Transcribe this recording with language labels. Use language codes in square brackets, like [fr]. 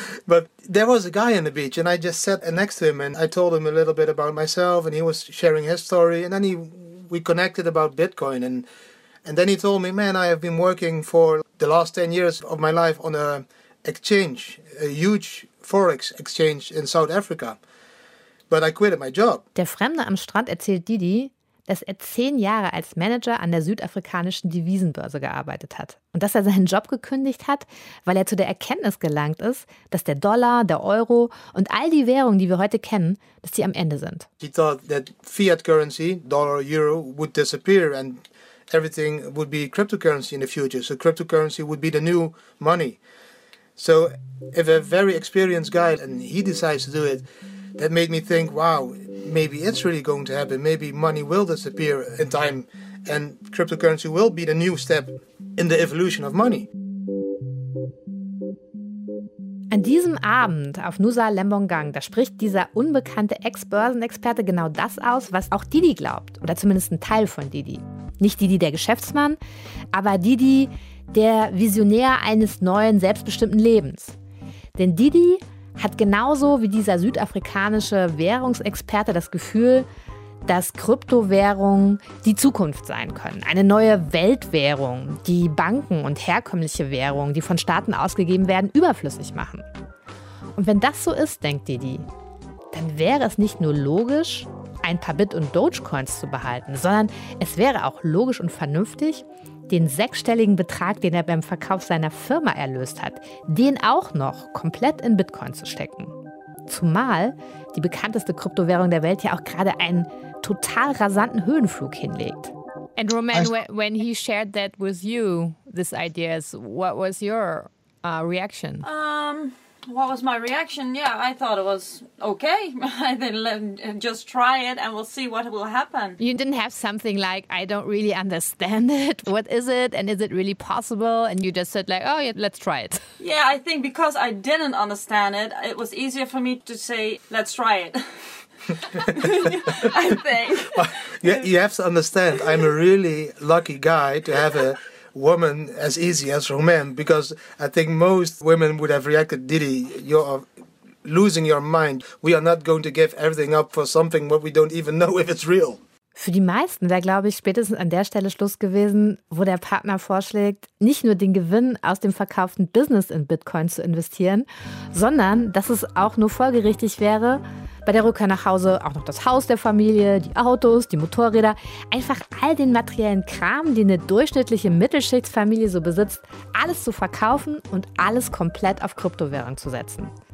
[en] But there was a guy on the beach and I just sat next to him and I told him a little bit about myself and he was sharing his story and then we connected about Bitcoin and then he told me, man, I have been working for the last 10 years of my life on a huge Forex exchange in South Africa. But I quit my job. [de] Der Fremde am Strand erzählt Didi, dass er 10 Jahre als Manager an der südafrikanischen Devisenbörse gearbeitet hat und dass er seinen Job gekündigt hat, weil er zu der Erkenntnis gelangt ist, dass der Dollar, der Euro und all die Währungen, die wir heute kennen, dass die am Ende sind. [en] He thought that fiat currency, dollar, euro, would disappear and everything would be cryptocurrency in the future. So cryptocurrency would be the new money. So if a very experienced guy and he decides to do it, that made me think, wow, maybe it's really going to happen. Maybe money will disappear in time and cryptocurrency will be the new step in the evolution of money. [de] An diesem Abend auf Nusa Lembongan, da spricht dieser unbekannte Ex-Börsenexperte genau das aus, was auch Didi glaubt. Oder zumindest ein Teil von Didi. Nicht Didi, der Geschäftsmann, aber Didi, der Visionär eines neuen, selbstbestimmten Lebens. Denn Didi hat genauso wie dieser südafrikanische Währungsexperte das Gefühl, dass Kryptowährungen die Zukunft sein können. Eine neue Weltwährung, die Banken und herkömmliche Währungen, die von Staaten ausgegeben werden, überflüssig machen. Und wenn das so ist, denkt Didi, dann wäre es nicht nur logisch, ein paar Bit- und Dogecoins zu behalten, sondern es wäre auch logisch und vernünftig, den 6-stelligen Betrag, den er beim Verkauf seiner Firma erlöst hat, den auch noch komplett in Bitcoin zu stecken. Zumal die bekannteste Kryptowährung der Welt ja auch gerade einen total rasanten Höhenflug hinlegt. [en] And Roman, when he shared that with you, this idea, what was your reaction? What was my reaction? Yeah, I thought it was okay. I didn't just try it and we'll see what will happen. You didn't have something like, I don't really understand it. What is it? And is it really possible? And you just said like, oh, yeah, let's try it. Yeah, I think because I didn't understand it, it was easier for me to say, let's try it. I think. You have to understand, I'm a really lucky guy to have a woman as easy as Romain, because I think most women would have reacted, Didi, you're losing your mind. We are not going to give everything up for something what we don't even know if it's real. [de] Für die meisten wäre, glaube ich, spätestens an der Stelle Schluss gewesen, wo der Partner vorschlägt, nicht nur den Gewinn aus dem verkauften Business in Bitcoin zu investieren, sondern dass es auch nur folgerichtig wäre, bei der Rückkehr nach Hause auch noch das Haus der Familie, die Autos, die Motorräder, einfach all den materiellen Kram, den eine durchschnittliche Mittelschichtsfamilie so besitzt, alles zu verkaufen und alles komplett auf Kryptowährung zu setzen.